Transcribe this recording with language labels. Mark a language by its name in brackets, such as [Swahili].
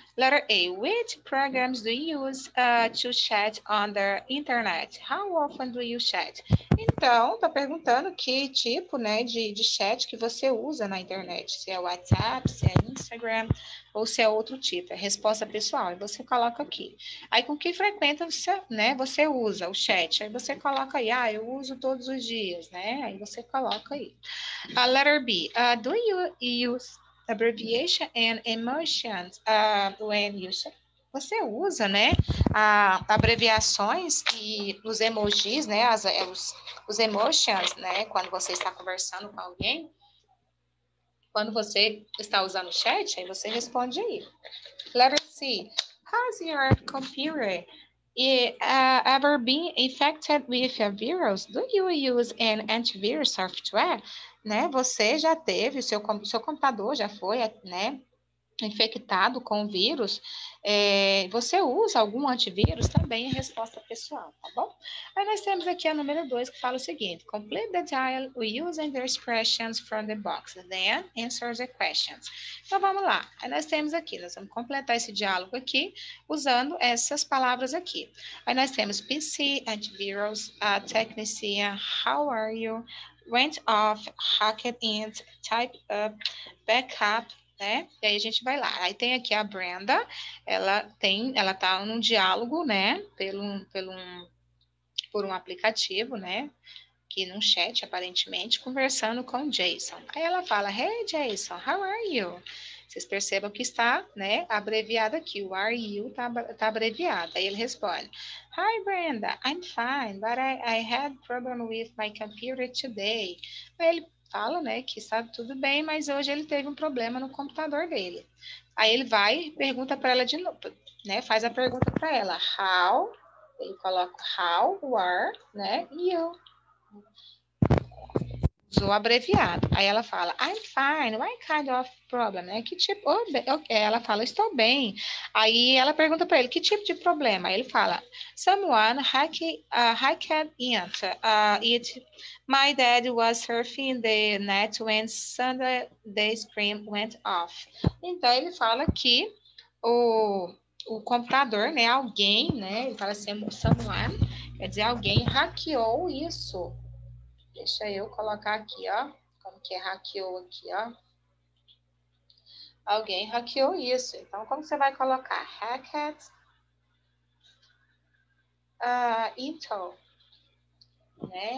[English] Letter A, which programs do you use to chat on the internet? How often do you chat? [Portuguese] Então, tá perguntando que tipo, né, de chat que você usa na internet. Se é WhatsApp, se é Instagram, ou se é outro tipo. É resposta pessoal. E você coloca aqui. Aí, com que frequência você usa o chat? Aí você coloca aí, ah, eu uso todos os dias, né? Aí você coloca aí. [English] Letter B, do you use abbreviation and emotions when you chat? [Portuguese] Você usa, né, abreviações e os emojis, né, os emotions, né, quando você está conversando com alguém. Quando você está usando o chat, aí você responde aí. [English] Letter C. Has your computer ever been infected with virus? Do you use an antivirus software? [Portuguese] Né, você já teve, seu computador já foi, né, infectado com o vírus, você usa algum antivírus? Também é resposta pessoal, tá bom? Aí nós temos aqui a número 2, que fala o seguinte: [English] complete the dialogue using the expressions from the box, then answer the questions. [Portuguese] Então vamos lá. Aí nós temos aqui, nós vamos completar esse diálogo aqui usando essas palavras aqui. Aí nós temos [English] PC, antivírus, technician, how are you? Went off, hacked int, type up, backup. [Portuguese] né? E aí a gente vai lá. Aí tem aqui a Brenda, ela tá num diálogo, né? Por um aplicativo, né? Aqui num chat, aparentemente, conversando com Jason. Aí ela fala: [English] Hey, Jason, how are you? [Portuguese] Vocês percebam que está, né, abreviado aqui. O are you tá abreviado. Aí ele responde: [English] Hi, Brenda, I'm fine, but I had problem with my computer today. [Portuguese] Aí ele fala, né, que está tudo bem, mas hoje ele teve um problema no computador dele. Aí ele vai e pergunta para ela de novo, né, faz a pergunta para ela: [English] How? [Portuguese] Ele coloca how, where, né, e you. Usou abreviado. Aí ela fala, [English] I'm fine, what kind of problem? [Portuguese] É que tipo, ela fala, estou bem. Aí ela pergunta para ele, que tipo de problema? Aí ele fala, [English] someone hacked it. My dad was surfing the net when suddenly the screen went off. [Portuguese] Então ele fala que o computador, né, alguém, né, ele fala assim, [English] someone, [Portuguese] quer dizer, alguém hackeou isso. Deixa eu colocar aqui, ó. Como que é hackeou aqui, ó? Alguém hackeou isso. Então, como você vai colocar? [English] Hacked Intel. [Portuguese] Né?